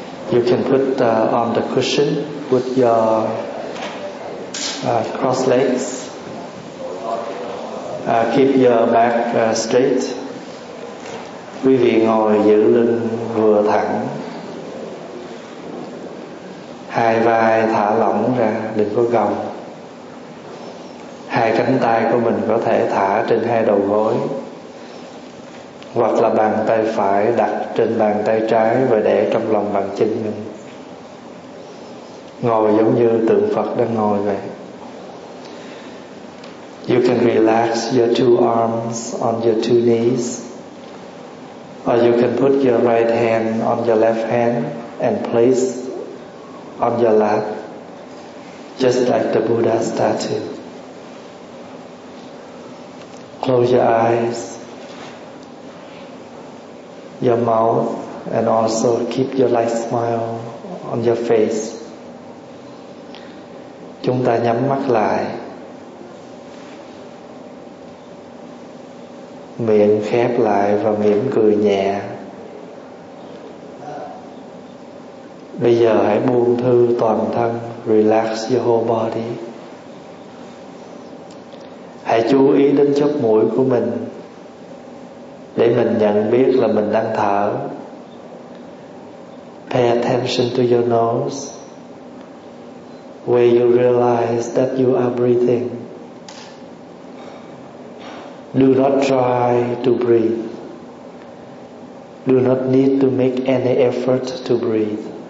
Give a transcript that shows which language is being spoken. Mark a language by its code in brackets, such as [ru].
[en] You can put on the cushion with your cross legs. Keep your back straight. [vi] Quý vị ngồi giữ lưng vừa thẳng. Hai vai thả lỏng ra, đừng có gồng. Hai cánh tay của mình có thể thả trên hai đầu gối, hoặc là bàn tay phải đặt trên bàn tay trái và để trong lòng bàn chân mình. Ngồi giống như tượng Phật đang ngồi vậy. [en] You can relax your two arms on your two knees, or you can put your right hand on your left hand and place on your lap, just like the Buddha statue. Close your eyes, your mouth, and also keep your light smile on your face. [vi] Chúng ta nhắm mắt lại, miệng khép lại và mỉm cười nhẹ. Bây giờ hãy buông thư toàn thân, [en] relax your whole body. [vi] Hãy chú ý đến chóp mũi của mình để mình nhận biết là mình đang thở. [en] Pay attention to your nose, where you realize that you are breathing. Do not try to breathe. Do not need to make any effort to breathe.